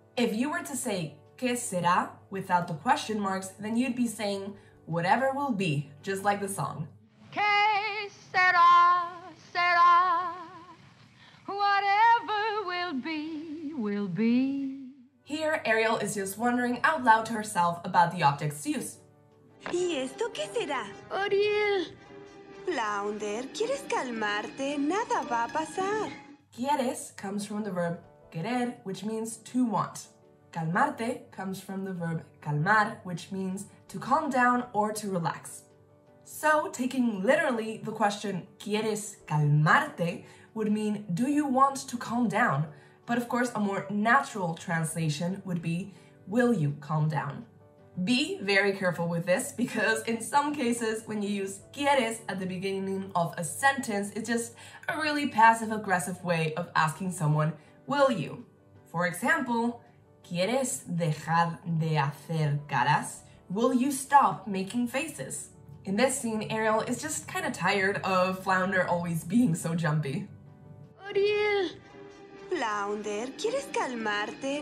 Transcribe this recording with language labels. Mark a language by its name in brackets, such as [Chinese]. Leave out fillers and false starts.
[English] If you were to say [Spanish] que será [English] without the question marks, then you'd be saying whatever will be, just like the song. [Spanish] Que será, será, [English] whatever will be. Here, Ariel is just wondering out loud to herself about the object's use. [Spanish] ¿Y esto qué será? Ariel. Flounder, ¿quieres calmarte? Nada va a pasar. [English] Quieres comes from the verb querer, which means to want. Calmarte comes from the verb calmar, which means to calm down or to relax. So, taking literally the question, [Spanish] ¿quieres calmarte? [English] Would mean, do you want to calm down? But of course, a more natural translation would be, will you calm down? Be very careful with this, because in some cases, when you use quieres at the beginning of a sentence, it's just a really passive-aggressive way of asking someone, will you? For example, [Spanish] ¿quieres dejar de hacer caras? [English] Will you stop making faces? In this scene, Ariel is just kind of tired of Flounder always being so jumpy. [Spanish] Ariel! Flounder, ¿quieres calmarte?